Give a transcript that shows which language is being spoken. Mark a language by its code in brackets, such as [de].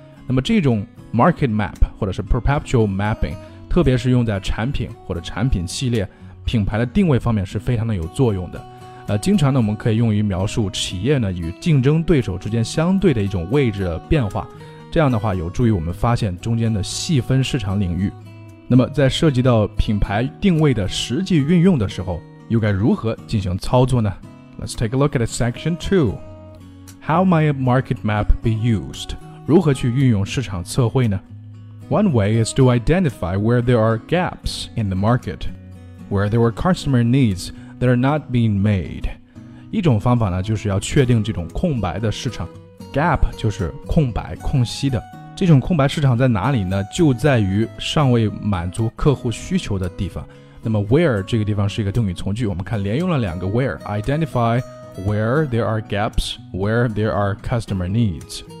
[zh] 那么这种 market map 或者是 perpetual mapping 特别是用在产品或者产品系列品牌的定位方面是非常的有作用的，经常呢我们可以用于描述企业呢与竞争对手之间相对的一种位置的变化，这样的话有助于我们发现中间的细分市场领域。那么在涉及到品牌定位的实际运用的时候，又该如何进行操作呢？ [en] Let's take a look at section 2. How might a market map be used? [zh] 如何去运用市场测绘呢？ [en] One way is to identify where there are gaps in the market. Where there were customer needs that are not being made. [zh] 一种方法呢就是要确定这种空白的市场。Gap 就是空白空隙的。这种空白市场在哪里呢？就在于尚未满足客户需求的地方。那么 where 这个地方是一个定语从句，我们看连用了两个 where, [en] identify where there are gaps, where there are customer needs.